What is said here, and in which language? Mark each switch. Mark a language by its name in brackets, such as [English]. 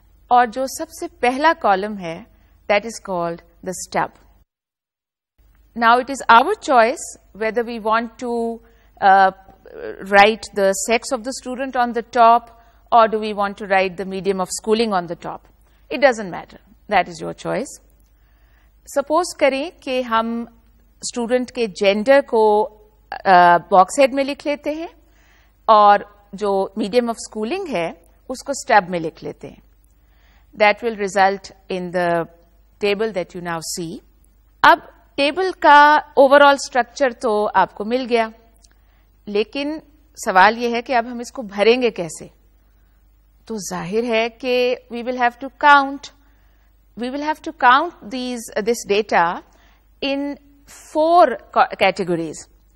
[Urdu] Aur jo sabse pehla column hai, [English] that is called the stub. Now it is our choice whether we want to write the sex of the student on the top or do we want to write the medium of schooling on the top. It doesn't matter. That is your choice. [Urdu] Suppose کریں کہ ہم student کے gender کو box head میں لکھ لیتے ہیں اور جو medium of schooling ہے اس کو stub میں لکھ لیتے ہیں. [English] That will result in the table that you now see. [Urdu] اب table کا overall structure تو آپ کو مل گیا, لیکن سوال یہ ہے کہ اب ہم اس کو بھریں گے کیسے. تو ظاہر ہے کہ [English] We will have to count this data in four categories.